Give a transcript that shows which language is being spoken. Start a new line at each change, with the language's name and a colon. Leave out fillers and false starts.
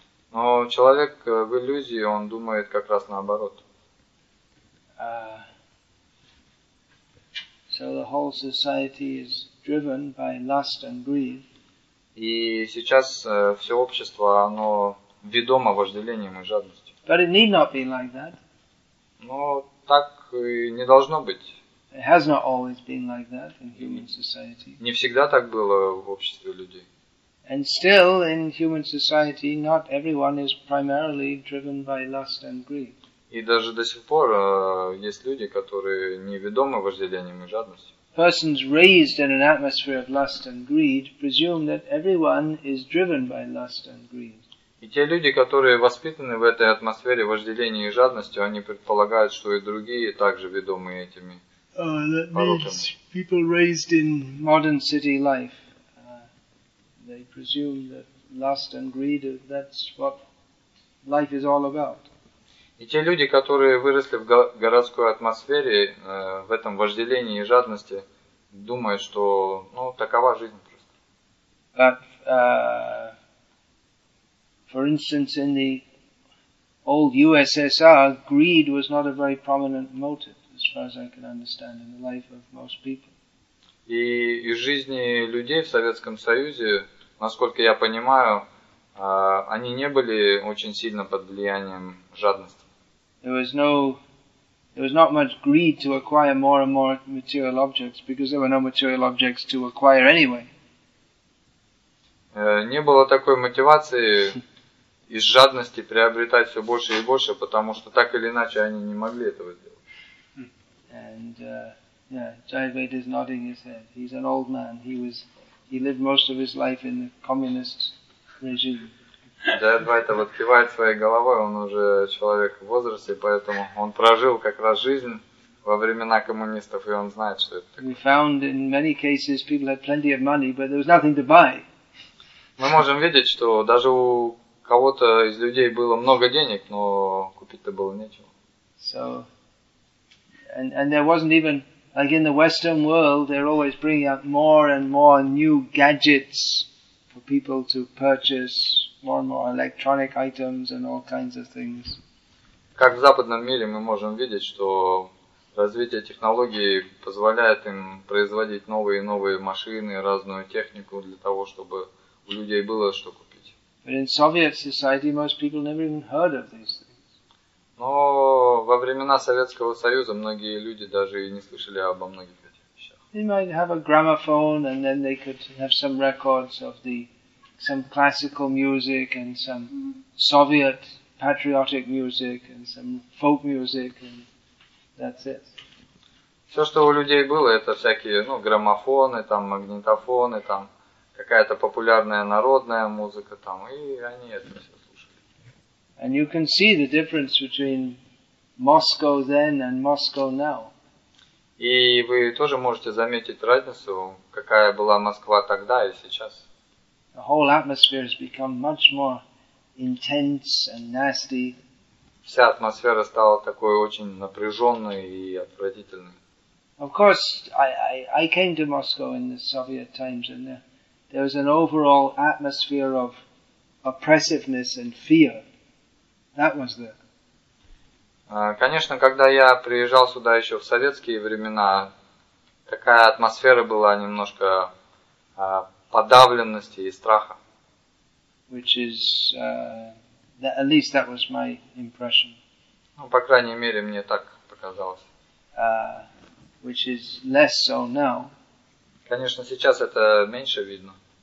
Russian: Но человек в иллюзии, он думает как раз наоборот.
English: So the whole society is driven by lust and greed.
Russian: И сейчас все общество, оно ведомо вожделением и жадностью.
English: But it need not be like that.
Russian: Но так и не должно быть.
English: It has not always been like that in human society.
Russian: Не всегда так было в обществе людей.
English: And still, in human society, not everyone is primarily driven by lust and greed.
Russian: И даже до сих пор есть люди, которые не ведомы вожделением и жадностью.
English: Persons raised in an atmosphere of lust and greed presume that everyone is driven by lust and greed.
Russian: И те люди, которые воспитаны в этой атмосфере вожделения и жадностью, они предполагают, что и другие также ведомы этими.
English: That means people raised in modern city life, they presume that lust and greed, that's what life is all about.
Russian: И те люди, которые выросли в городской атмосфере, в этом вожделении и жадности, думают, что, ну, такова жизнь просто.
English: But, for instance, in the old USSR, greed was not a very prominent motive. As far as I can understand, in the life of most people.
Russian: И из жизни людей в Советском Союзе, насколько я понимаю, они не были очень сильно под влиянием жадности.
English: There was not much greed to acquire more and more material objects, because there were no material objects to acquire anyway.
Russian: Не было такой мотивации из жадности приобретать все больше и больше, потому что так или иначе они не могли этого сделать.
English: And Jayavedi is nodding his head. He's an old man. He lived most of his life in the communist regime.
Russian: Jayavedi вот кивает своей головой. Он уже человек в возрасте, поэтому он прожил как раз жизнь во времена коммунистов, и он знает, что это такое.
English: We found in many cases people had plenty of money, but there was nothing to buy.
Russian: Мы можем видеть, что даже у кого-то из людей было много денег, но купить-то было нечего.
English: So. And there wasn't even, like in the Western world, they're always bringing out more and more new gadgets for people to purchase, more and more electronic items and all kinds of things.
Russian: Как в западном мире мы можем видеть, что развитие технологий позволяет им производить новые и новые машины, разную технику для того, чтобы у людей было что купить.
English: But in Soviet society, most people never even heard of these things.
Russian: Но во времена Советского Союза многие люди даже и не слышали обо многих этих вещах.
English: They might have a gramophone, and then they could have some records of some classical music and some Soviet patriotic music and some folk music, and that's it.
Russian: Все, что у людей было, это всякие, ну, граммофоны, там магнитофоны, там какая-то популярная народная музыка, там, и они это все.
English: And you can see the difference between Moscow then and Moscow now.
Russian: И вы тоже можете заметить разницу, какая была Москва тогда и сейчас.
English: the whole atmosphere has become much more intense and nasty.
Russian: Вся атмосфера стала такой очень напряженной и отвратительной.
English: Of course, I came to Moscow in the Soviet times, and there was an overall atmosphere of oppressiveness and fear. That was there.
Russian: Конечно, когда я приезжал сюда еще в советские времена, такая атмосфера была немножко подавленности и страха.
English: Which is, that, at least that was my impression.
Russian: Ну, по крайней мере, мне так показалось.
English: Which is less so now.
Russian: Конечно, сейчас это меньше видно.